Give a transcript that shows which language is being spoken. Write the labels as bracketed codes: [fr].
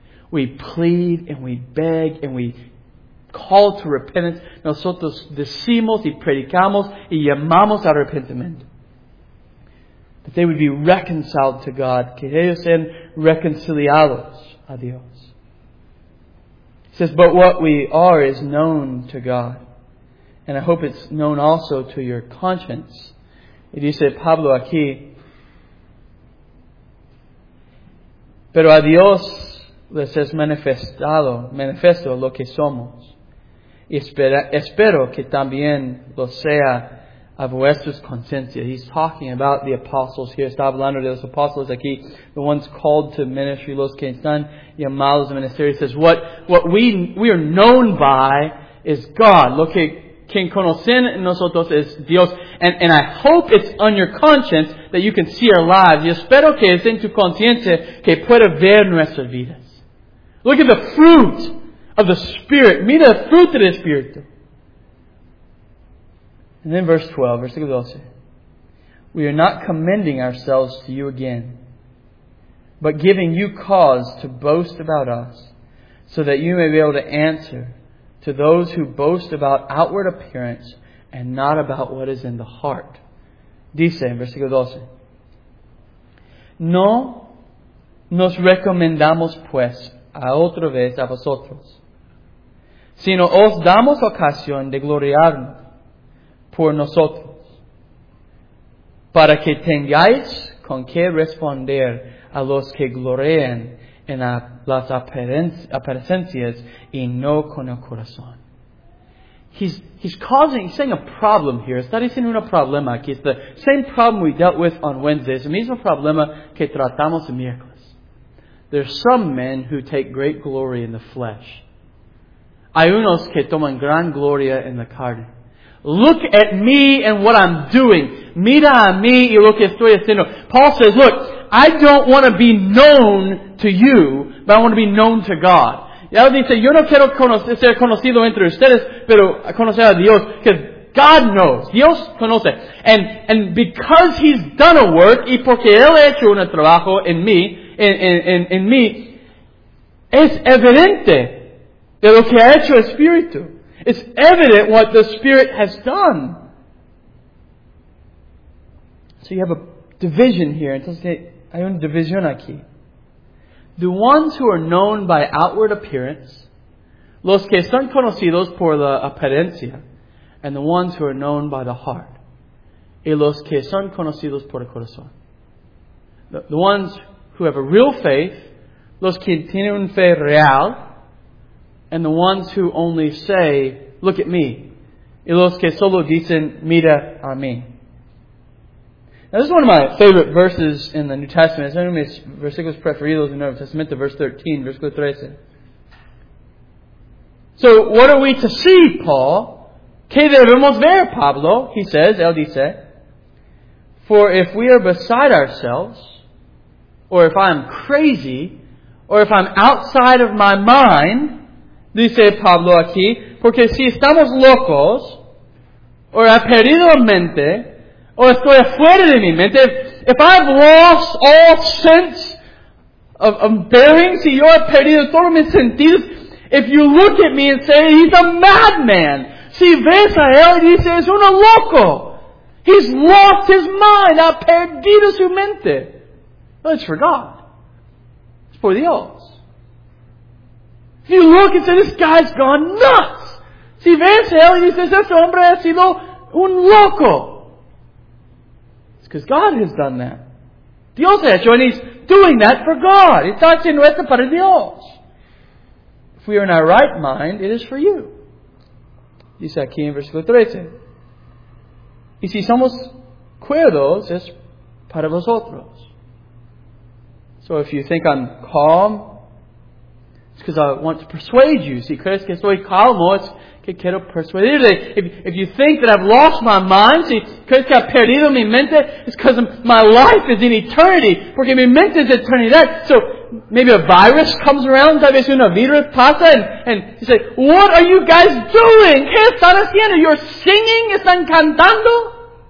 [en] We plead and we beg and we call to repentance. [es] Nosotros decimos y predicamos y llamamos a arrepentimiento. [en] That they would be reconciled to God. [es] Que ellos sean reconciliados a Dios. [en] He says, but what we are is known to God. And I hope it's known also to your conscience. [es] Y dice Pablo aquí, pero a Dios les es manifiesto lo que somos. Y espero que también lo sea a vuestras conciencias. [en] He's talking about the apostles here. [es] Está hablando de los apostles aquí. [en] The ones called to ministry. [es] Los que están llamados a ministerio. [en] He says, what we are known by is God. [es] Lo que quien conocen nosotros es Dios. [en] And I hope it's on your conscience that you can see our lives. [es] Y espero que es en tu conciencia que pueda ver nuestras vidas. [en] Look at the fruit of the Spirit. [es] Mira el fruto del Espíritu. [en] And then verse 12. We are not commending ourselves to you again, but giving you cause to boast about us, so that you may be able to answer to those who boast about outward appearance and not about what is in the heart. [es] Dice, en versículo 12. No nos recomendamos pues a otra vez a vosotros, sino os damos ocasión de gloriarnos por nosotros, para que tengáis con qué responder a los que gloríen en las apariencias y no con el corazón. [en] He's saying a problem here. [es] Está diciendo un problema. Aquí es [en] the same problem we dealt with on Wednesday. [es] Es el mismo problema que tratamos el miércoles. [en] There are some men who take great glory in the flesh. [es] Hay unos que toman gran gloria en la carne. [en] Look at me and what I'm doing. [es] Mira a mí y lo que estoy haciendo. [en] Paul says, look, I don't want to be known to you, but I want to be known to God. [es] Y él dice, yo no quiero ser conocido entre ustedes, pero conocer a Dios. [en] Because God knows. [es] Dios conoce. [en] And because he's done a work, [es] y porque él ha hecho un trabajo en mí, en mí, es evidente de lo que ha hecho el Espíritu. [en] It's evident what the Spirit has done. So you have a division here. [es] Entonces, hay una división aquí. [en] The ones who are known by outward appearance, [es] los que son conocidos por la apariencia, [en] and the ones who are known by the heart, [es] y los que son conocidos por el corazón. [en] The ones who have a real faith, [es] los que tienen una fe real, [en] and the ones who only say, look at me. [es] Y los que solo dicen, mira a mí. [en] Now this is one of my favorite verses in the New Testament. It's one of my [es] versículos preferidos [en] in the Nuevo Testamento, verse 13, [es] versículo 13. [en] So what are we to see, Paul? [es] ¿Qué debemos ver, Pablo? [en] He says, [es] él dice, [en] for if we are beside ourselves, or if I'm crazy, or if I'm outside of my mind, [es] dice Pablo aquí, porque si estamos locos, o he perdido la mente, o estoy afuera de mi mente, [en] if I've lost all sense of bearings, [es] si yo he perdido todos mis sentidos, [en] if you look at me and say, he's a madman. [es] Si ves a él y dice, es un loco. [en] He's lost his mind, [es] ha perdido su mente. [en] Well, it's for God. It's for Dios. If you look and say, this guy's gone nuts. [es] Si ves a él y dices, este hombre ha sido un loco. [en] It's because God has done that. [es] Dios ha hecho, [en] and he's doing that for God. [es] Está haciendo esto para Dios. [en] If we are in our right mind, it is for you. [es] Dice aquí en versículo 13. Y si somos cuerdos, es para vosotros. [en] So if you think I'm calm, it's because I want to persuade you. [es] Si crees que estoy calmo, es que quiero persuadirte. [en] If you think that I've lost my mind, [es] si crees que he perdido mi mente, [en] it's because my life is in eternity. [es] Porque mi mente es eternidad. [en] So maybe a virus comes around, [es] tal vez una virus pasa, [en] and you say, what are you guys doing? [es] ¿Qué están haciendo? [en] You're singing? [es] ¿Están cantando?